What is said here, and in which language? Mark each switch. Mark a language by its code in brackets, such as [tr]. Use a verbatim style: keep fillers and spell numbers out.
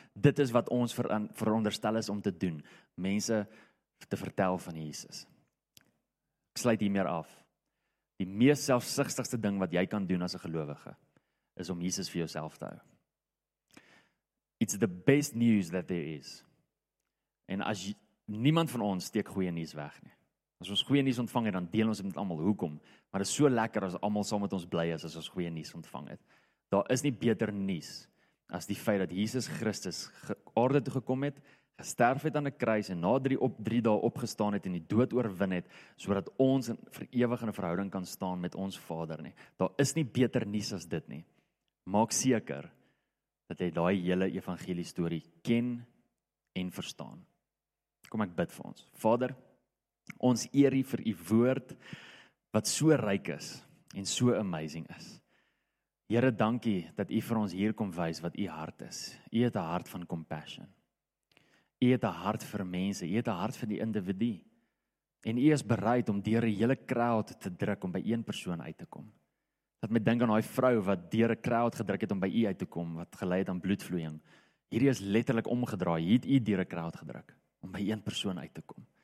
[af] Dit is wat ons ver- veronderstel is om te doen. Mense te vertel van Jesus. Ek sluit hiermee af. Die mees selfsugtigste ding wat jy kan doen as 'n gelowige, is om Jesus vir jouself te hou. [en] It's the best news that there is. [af] En as jy, niemand van ons steek goeie nuus weg nie. As ons goeie nuus ontvang het, dan deel ons dit met almal. Hoekom? Maar dit is so lekker as almal saam met ons bly is as ons goeie nuus ontvang het. Daar is nie beter nuus as die feit dat Jesus Christus aarde toe gekom het, gesterf het aan 'n kruis en na drie op drie dae opgestaan het en die dood oorwin het, sodat ons vir ewig in 'n verhouding kan staan met ons Vader nie. Daar is nie beter nuus as dit nie. Maak seker dat jy daai hele evangelie storie ken en verstaan. Kom ek bid vir ons. Vader, ons eer U vir U woord wat so ryk is en so amazing is. Here, dankie dat U vir ons hier kom wys wat U hart is. U het 'n hart van compassion. U het 'n hart vir mense, U het 'n hart vir die individu. En U is bereid om deur 'n hele crowd te druk om by een persoon uit te kom. Dat my dink aan daai vrou wat deur 'n crowd gedruk het om by U uit te kom, wat gelei het aan bloedvloeiing. Hierdie is letterlik omgedraai. Hier het U deur 'n crowd gedruk om by een persoon uit te kom.